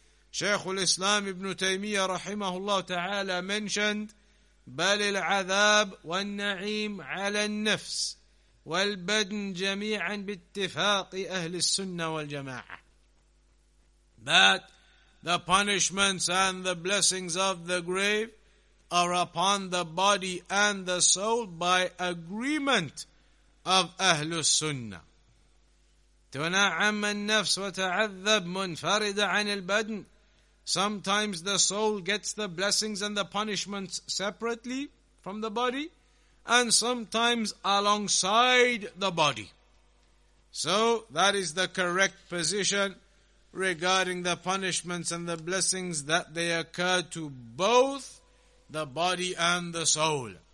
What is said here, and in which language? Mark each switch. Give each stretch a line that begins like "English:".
English: Shaykh al-Islam Ibn Taymiyyah rahimahullah ta'ala mentioned,
Arabic: بَلِ الْعَذَابُ وَالنَّعِيمُ عَلَى النَّفْسِ وَالْبَدْنِ جَمِيعًا بِاتِّفَاقِ أَهْلِ السُّنَّةِ وَالْجَمَاعَةِ,
English: that the punishments and the blessings of the grave are upon the body and the soul by agreement of Ahlus Sunnah.
Arabic: تنعم النفس وتعذب منفردة عن البدن.
English: Sometimes the soul gets the blessings and the punishments separately from the body, and sometimes alongside the body. So that is the correct position regarding the punishments and the blessings, that they occur to both the body and the soul.